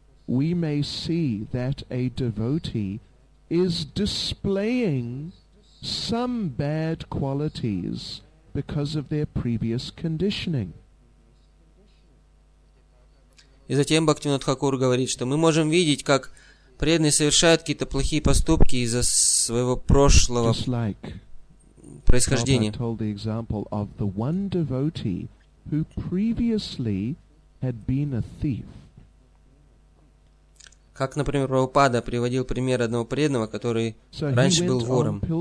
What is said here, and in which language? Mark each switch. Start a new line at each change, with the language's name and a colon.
English: We may see that a devotee is displaying some bad qualities because of their previous conditioning.
Russian: И затем Бхактивинод Тхакур говорит, что мы можем видеть, как преданный совершает какие-то плохие поступки из-за своего прошлого происхождения.
English: Prabhupada told the example of the one devotee who previously had been a thief.
Russian: Как, например, Прабхупада приводил пример одного преданного, который раньше был вором.